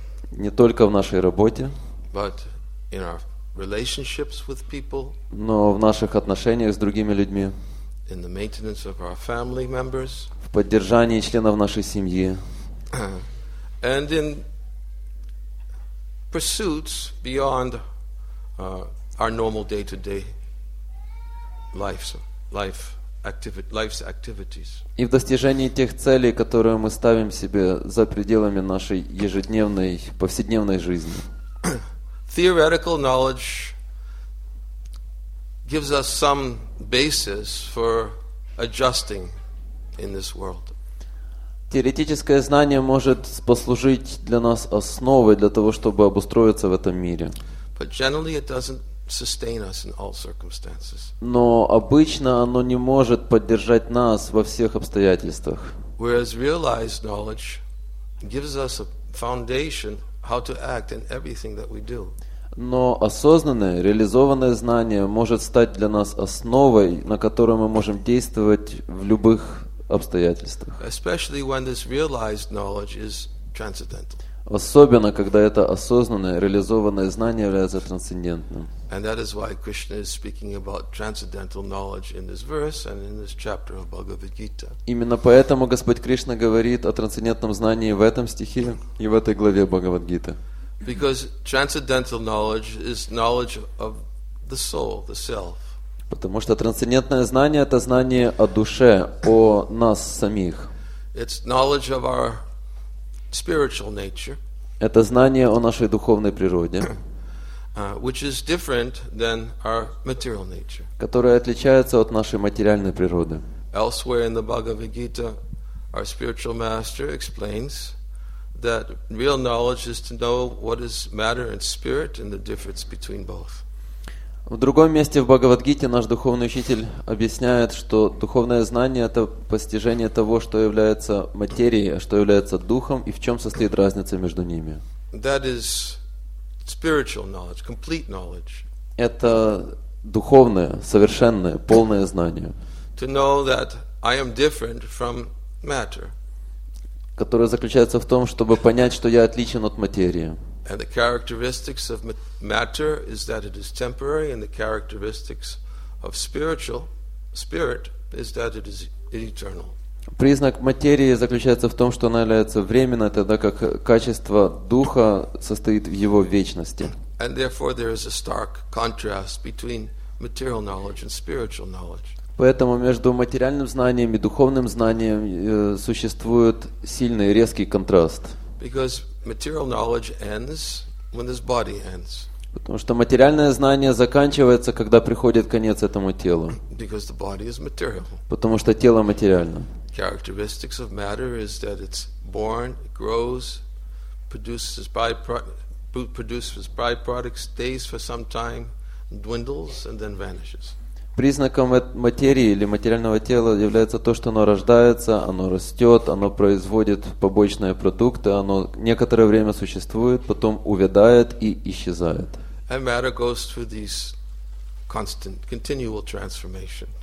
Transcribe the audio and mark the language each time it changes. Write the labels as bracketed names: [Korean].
[Russian] Не только в нашей работе. [English] But in our relationships with people. [Russian] Но в наших отношениях с другими людьми. [English] In the maintenance of our family members. [Russian] Поддержание членов нашей семьи. [English] And in pursuits beyond our normal day-to-day life's activities. [Russian] И в достижении тех целей, которые мы ставим себе за пределами нашей ежедневной, повседневной жизни. [English] Theoretical knowledge gives us some basis for adjusting in this world. [Russian] Теоретическое знание может послужить для нас основой для того, чтобы обустроиться в этом мире. [English] But generally it doesn't sustain us in all circumstances. [Russian] Но обычно оно не может поддержать нас во всех обстоятельствах. [English] Whereas realized knowledge gives us a foundation how to act in everything that we do. [Russian] Но осознанное, реализованное знание может стать для нас основой, на которой мы можем действовать в любых обстоятельствах. [English] Especially when this realized knowledge is transcendental. [Russian] Особенно, когда это осознанное, реализованное знание является трансцендентным. [English] And that is why Krishna is speaking about transcendental knowledge in this verse and in this chapter of Bhagavad Gita. [Russian] Именно поэтому Господь Кришна говорит о трансцендентном знании в этом стихе и в этой главе Бхагавад Гиты. [English] Because transcendental knowledge is knowledge of the soul, the self. [Russian] Потому что трансцендентное знание — это знание о душе, о нас самих. [English] It's knowledge of our spiritual nature. [Russian] Это знание о нашей духовной природе, [English] which is different than our material nature. [Russian] Которое отличается от нашей материальной природы. [English] Elsewhere in the Bhagavad Gita, our spiritual master explains that real knowledge is to know what is matter and spirit and the difference between both. [Russian] В другом месте в Бхагавад-гите наш духовный учитель объясняет, что духовное знание — это постижение того, что является материей, а что является духом, и в чем состоит разница между ними. [English] That is spiritual knowledge, complete knowledge. [Russian] Это духовное, совершенное, полное знание. [English] To know that I am different from matter. [Russian] Которое заключается в том, чтобы понять, что я отличен от материи. [English] And the characteristics of matter is that it is temporary, and the characteristics of spirit is that it is eternal. [Russian] Признак материи заключается в том, что она является временной, тогда как качество духа состоит в его вечности. [English] And therefore there is a stark contrast between material knowledge and spiritual knowledge. [Russian] Поэтому между материальным знанием и духовным знанием существует сильный резкий контраст. [English] Because material knowledge ends when this body ends. [Russian] Потому что материальное знание заканчивается, когда приходит конец этому телу. [English] Because the body is material. [Russian] Потому что тело материально. [English] Characteristics of matter is that it's born, it grows, produces byproducts, stays for some time, dwindles, and then vanishes. [Russian] Признаком материи или материального тела является то, что оно рождается, оно растет, оно производит побочные продукты, оно некоторое время существует, потом увядает и исчезает. [English] And matter goes through these constant, continual transformations.